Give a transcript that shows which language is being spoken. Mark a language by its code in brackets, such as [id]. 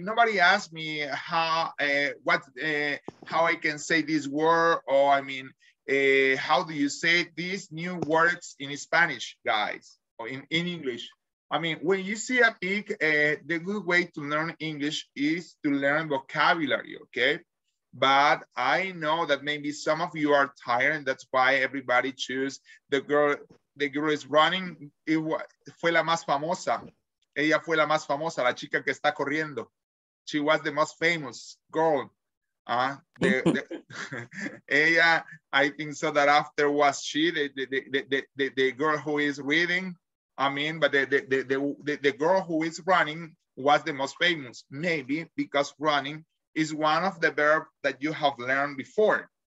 [en] Nobody asked me how I can say this word, or I mean, how do you say these new words in Spanish, guys, or in English? I mean, when you see a pig, the good way to learn English is to learn vocabulary, okay? But I know that maybe some of you are tired, and that's why everybody choose the girl is running. [es] Fue la más famosa. Ella fue la más famosa, la chica que está corriendo. [en] She was the most famous girl. I think so that after was she, the girl who is reading, I mean, but the girl who is running was the most famous, maybe because running is one of the verbs that you have learned before.